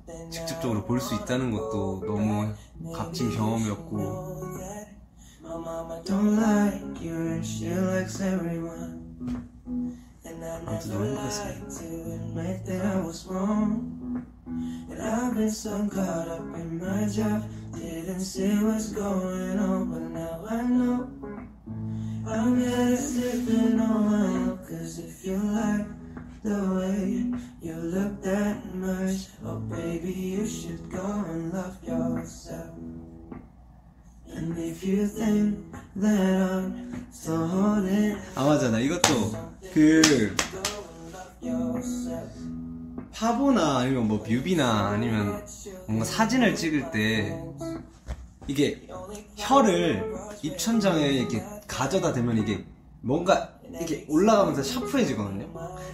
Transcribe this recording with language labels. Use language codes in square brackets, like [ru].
[ko] 직접적으로 볼 수 있다는 것도 너무 값진 경험이었고 아무튼 너무 행복했습니다. [en] Didn't see what's going on, but now I know. I'm better sleeping on my own, 'cause if you like the way you look that much, oh baby, you should go and love yourself. And if you think that I'm so holding, [ko] 아 맞아, 나 이것도 그 파보나 아니면 뭐 뮤비나 아니면 뭔가 사진을 찍을 때. 이게 혀를 입천장에 이렇게 가져다 대면 이게 뭔가 이렇게 올라가면서 샤프해지거든요.